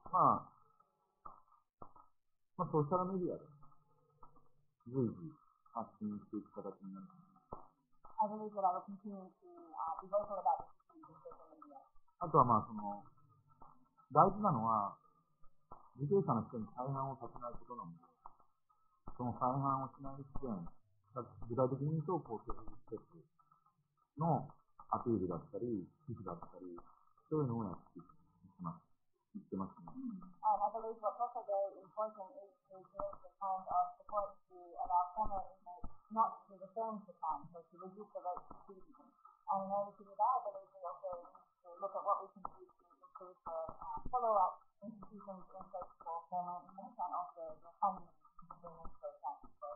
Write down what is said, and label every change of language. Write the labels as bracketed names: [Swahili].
[Japanese] まあ、まあ、ソーシャルメディアで、随時発信していく形になると思います。 [English] I believe that I will continue to be vocal about social media. [Japanese] あとはまあ、その、大事なのは、受刑者の人に再犯をさせないことなので、その再犯をしない視点、具体的に言うと、こう、政府施設のアピールだったり、寄付だったり、そういうのをやっていく。 [English] I believe what's also very important is to create the kind of support to allow former inmates not to return to crime, so to reduce the rate of recidivism. And in order to do that, I believe we also need to look at what we can do to improve the follow-up institutions in place for former inmates and also the funding to bring them to the crime.